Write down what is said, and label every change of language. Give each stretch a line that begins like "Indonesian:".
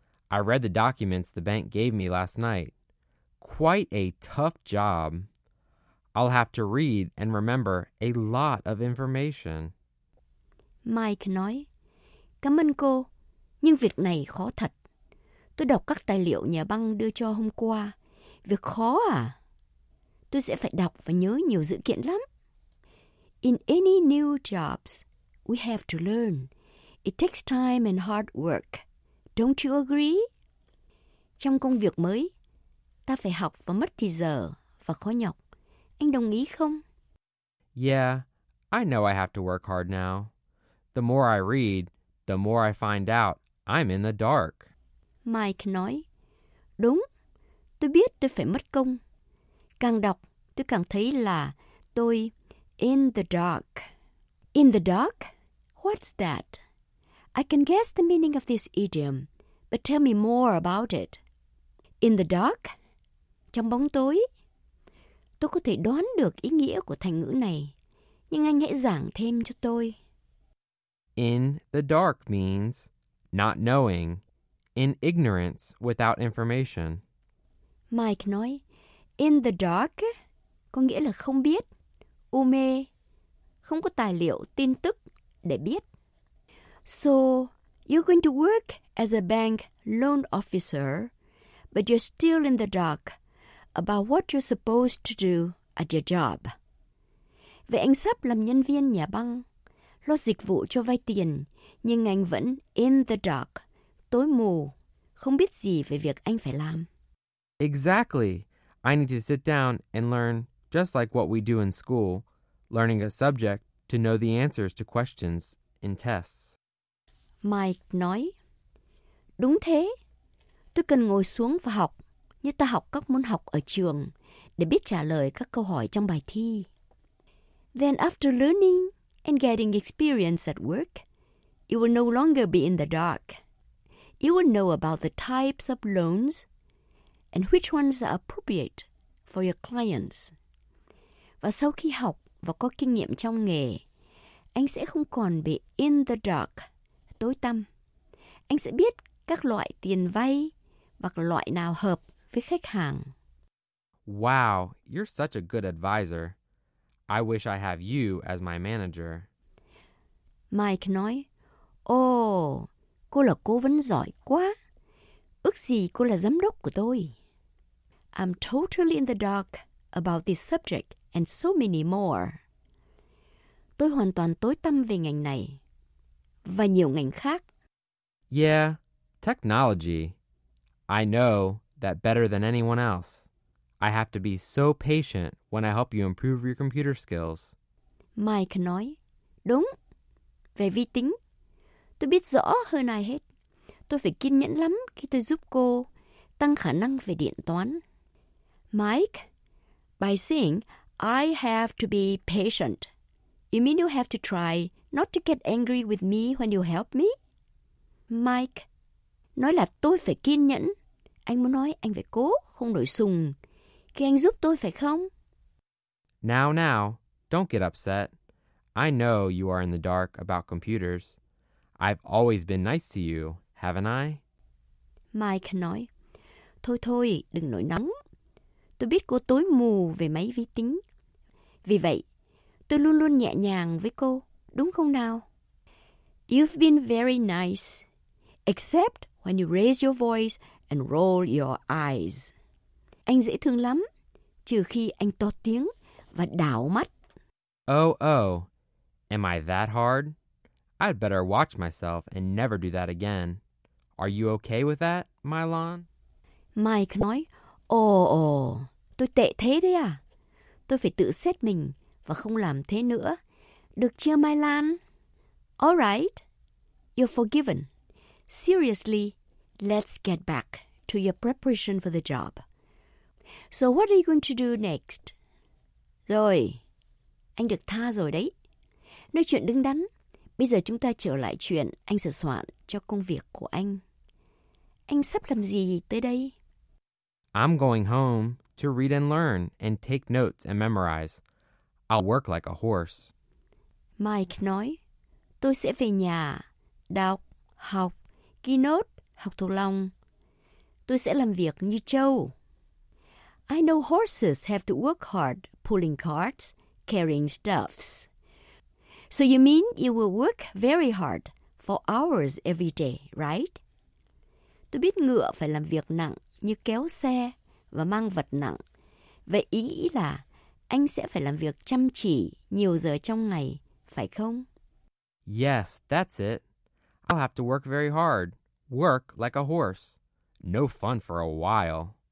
English: I read the documents the bank gave me last night. Quite a tough job. I'll have to read and remember a lot of information.
Vietnamese: Mike nói, cảm ơn cô, nhưng việc này khó thật. Tôi đọc các tài liệu nhà băng đưa cho hôm qua. Việc khó à? Tôi sẽ phải đọc và nhớ nhiều dữ kiện lắm.
English: In any new jobs, we have to learn. It takes time and hard work. Don't you agree?
Vietnamese: Trong công việc mới, ta phải học và mất thì giờ và khó nhọc. Anh đồng ý không?
English: Yeah, I know I have to work hard now. The more I read, the more I find out I'm in the dark.
Vietnamese: Mike nói, đúng, tôi biết tôi phải mất công. Càng đọc, tôi càng thấy là tôi in the dark.
English: In the dark? What's that? I can guess the meaning of this idiom, but tell me more about it. In the dark?
Vietnamese: Trong bóng tối, tôi có thể đoán được ý nghĩa của thành ngữ này, nhưng anh hãy giảng thêm cho tôi.
English: In the dark means not knowing, in ignorance without information.
Vietnamese: Mike nói, in the dark có nghĩa là không biết, u mê, không có tài liệu, tin tức để biết.
English: So, you're going to work as a bank loan officer, but you're still in the dark about what you're supposed to do at your job.
Vietnamese: Vậy anh sắp làm nhân viên nhà băng, lo dịch vụ cho vay tiền, nhưng anh vẫn in the dark, tối mù, không biết gì về việc anh phải làm.
English: Exactly. I need to sit down and learn, just like what we do in school, learning a subject to know the answers to questions in tests.
Vietnamese: Mike nói, đúng thế. Tôi cần ngồi xuống và học, như ta học các môn học ở trường, để biết trả lời các câu hỏi trong bài thi.
English: Then after learning and getting experience at work, you will no longer be in the dark. You will know about the types of loans and which ones are appropriate for your clients.
Vietnamese: Và sau khi học và có kinh nghiệm trong nghề, anh sẽ không còn bị in the dark, tối tăm. Anh sẽ biết các loại tiền vay và loại nào hợp với khách hàng.
English: Wow, you're such a good advisor. I wish I have you as my manager.
Vietnamese: Mike nói, cô là cố vấn giỏi quá. Ước gì cô là giám đốc của tôi.
English: I'm totally in the dark about this subject and so many more.
Vietnamese: Tôi hoàn toàn tối tăm về ngành này và nhiều ngành khác.
English: Yeah, technology. I know that better than anyone else. I have to be so patient when I help you improve your computer skills.
Vietnamese: Mike nói, đúng, về vi tính. Tôi biết rõ hơn ai hết. Tôi phải kiên nhẫn lắm khi tôi giúp cô tăng khả năng về điện toán.
English: Mike, by saying, I have to be patient, you mean you have to try not to get angry with me when you help me?
Vietnamese: Mike, nói là tôi phải kiên nhẫn. Anh muốn nói anh phải cố, không nổi sùng. Khi anh giúp tôi phải không?
English: Now, now, don't get upset. I know you are in the dark about computers. I've always been nice to you, haven't I?
Vietnamese: Mike nói, thôi thôi, đừng nổi nóng. Tôi biết cô tối mù về máy vi tính. Vì vậy, tôi luôn luôn nhẹ nhàng với cô, đúng không nào?
English: You've been very nice, except when you raise your voice and roll your eyes.
Vietnamese: Anh dễ thương lắm, trừ khi anh to tiếng và đảo mắt.
English: Oh, am I that hard? I'd better watch myself and never do that again. Are you okay with that, Mylon?
Vietnamese: Mike nói, Oh, tôi tệ thế đấy à. Tôi phải tự xét mình và không làm thế nữa. Được chưa,
English: Mylon? All right, you're forgiven. Seriously, let's get back to your preparation for the job. So what are you going to do next?
Vietnamese: Rồi, anh được tha rồi đấy. Nói chuyện đứng đắn. Bây giờ chúng ta trở lại chuyện anh sửa soạn cho công việc của anh. Anh sắp làm gì tới đây?
English: I'm going home to read and learn and take notes and memorize. I'll work like a horse.
Vietnamese: Mike nói, tôi sẽ về nhà, đọc, học, ghi nốt, học thuộc lòng. Tôi sẽ làm việc như trâu.
English: I know horses have to work hard pulling carts, carrying stuffs. So you mean you will work very hard for hours every day, right?
Vietnamese: Tôi biết ngựa phải làm việc nặng như kéo xe và mang vật nặng. Vậy ý nghĩ là anh sẽ phải làm việc chăm chỉ nhiều giờ trong ngày, phải không?
English: Yes, that's it. I'll have to work very hard. Work like a horse. No fun for a while.